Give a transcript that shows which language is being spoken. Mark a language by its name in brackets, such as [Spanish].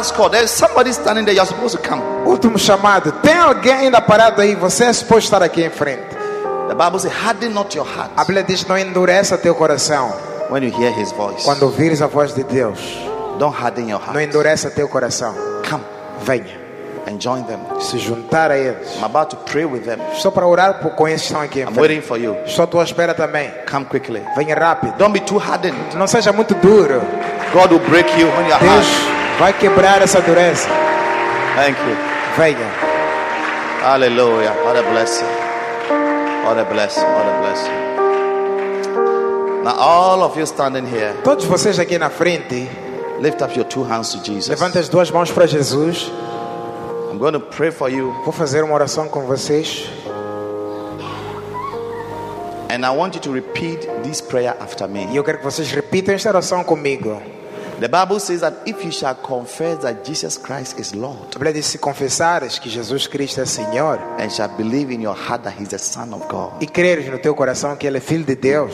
[English] There's somebody standing there, you're supposed to come. [Portuguese] Último chamado, tem alguém ainda parado aí, você é suposto estar aqui em frente. [English] The Bible says, harden not your heart. [Portuguese] A Bíblia diz, não endureça teu coração. [English] When you hear his voice. [Portuguese] Quando ouvires a voz de Deus. [English] Don't harden your heart. [Portuguese] Não endureça teu coração. [English] Come. [Portuguese] Venha. [English] And join them. [Portuguese] Se juntar a eles. [English] I'm about to pray with them. [Portuguese] Estou para orar por com eles que estão aqui. [English] I'm waiting for you. [Portuguese] Estou à tua espera também. [English] Come quickly. [Portuguese] Venha rápido. [English] Don't be too hardened. [Portuguese] Não seja muito duro. [English] God will break you on your [Portuguese] Deus [English] heart. [Portuguese] Vai quebrar essa dureza. [English] Thank you. [Portuguese] Venha. [English] Hallelujah. What a blessing. What a blessing. What a blessing. Now all of you standing here. [Portuguese] Todos vocês aqui na frente. [English] Lift up your two hands to Jesus. [Portuguese] Levanta as duas mãos para Jesus. [English] I'm going to pray for you. [Portuguese] Vou fazer uma oração com vocês. [English] And I want you to repeat this prayer after me. [Portuguese] E eu quero que vocês repitam esta oração comigo. [English] The Bible says that if you shall confess that Jesus Christ is Lord. [Portuguese] A Bíblia diz, se confessares que Jesus Cristo é Senhor. [English] And shall believe in your heart that he is the Son of God. [Portuguese] E creres no teu coração que ele é filho de Deus.